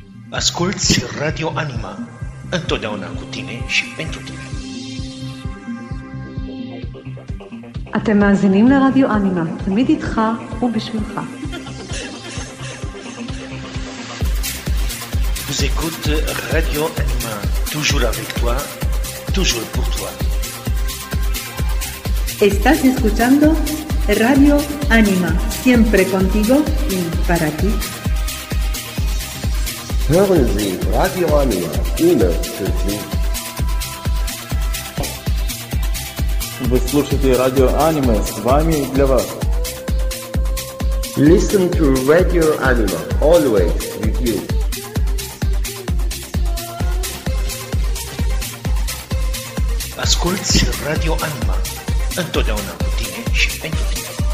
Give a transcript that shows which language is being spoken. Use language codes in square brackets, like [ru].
[ro] Asculți Radio Anima, întotdeauna cu tine și pentru tine. [he] אתם מאזינים לרדיו אנימה, תמיד איתך ובשבילך. [fr] Vous écoutez Radio Anima, toujours avec toi, toujours pour toi. [es] Estás escuchando Radio Anima, siempre contigo y para ti. [de] Hören Sie Radio Anima, immer für Sie. [ru] Вы слушаете Radio Anima, с вами и для вас. [en] Listen to Radio Anima, always with you. [ro] Asculți Radio Anima, întotdeauna cu tine și pentru tine.